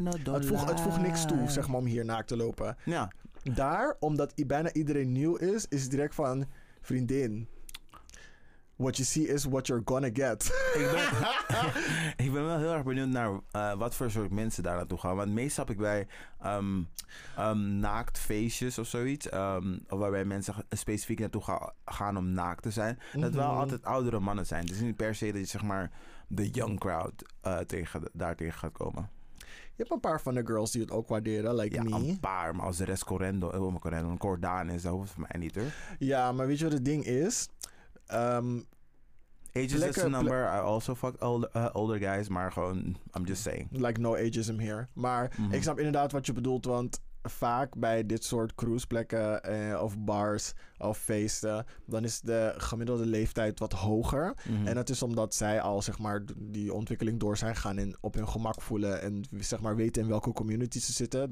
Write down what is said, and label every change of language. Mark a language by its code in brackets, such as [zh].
[nl] Het voegt niks toe, zeg maar, om hier naakt te lopen. Ja. Daar, omdat bijna iedereen nieuw is, is het direct van vriendin. [en] What you see is what you're gonna get. [nl] Ik ben wel heel erg benieuwd naar wat voor soort mensen daar naartoe gaan. Want meestal heb ik bij naaktfeestjes of zoiets. Waarbij mensen specifiek naartoe gaan om naakt te zijn. Mm-hmm. Dat wel altijd oudere mannen zijn. Het is niet per se dat je, zeg maar, de young crowd daartegen gaat komen. Je hebt een paar van de girls die het ook waarderen, like ja, [en] me. [nl] Ja, een paar. Maar als de rest Corendo, een Cordaan is, dat hoeft van mij niet, hoor. Ja, maar weet je wat het ding is? [en] Age is just a number. I also fuck older guys, [nl] maar gewoon, [en] I'm just saying. Like no ageism here. [nl] Maar ik snap inderdaad wat je bedoelt, want vaak bij dit soort cruiseplekken of bars of feesten, dan is de gemiddelde leeftijd wat hoger. Mm-hmm. En dat is omdat zij al zeg maar die ontwikkeling door zijn gaan en op hun gemak voelen en zeg maar weten in welke community ze zitten.